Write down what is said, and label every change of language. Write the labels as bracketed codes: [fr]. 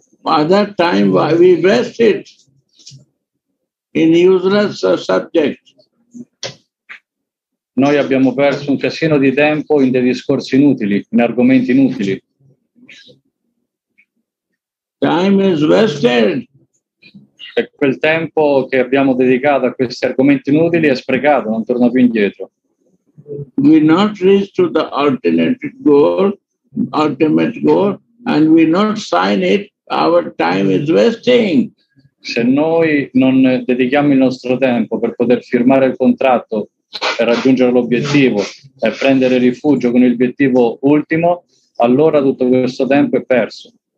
[en] At that time we rested in useless subject. [it] Noi abbiamo perso un casino di tempo in dei discorsi inutili, in argomenti inutili. [en] Time is wasted. [it] E quel tempo che abbiamo dedicato a questi argomenti inutili è sprecato, non torna più indietro. [en] We not reach to the ultimate goal, and we not sign it, our time is wasting. [it] Se noi non dedichiamo il nostro tempo per poter firmare il contratto per raggiungere l'obiettivo e prendere rifugio con l'obiettivo ultimo, allora tutto questo tempo è perso.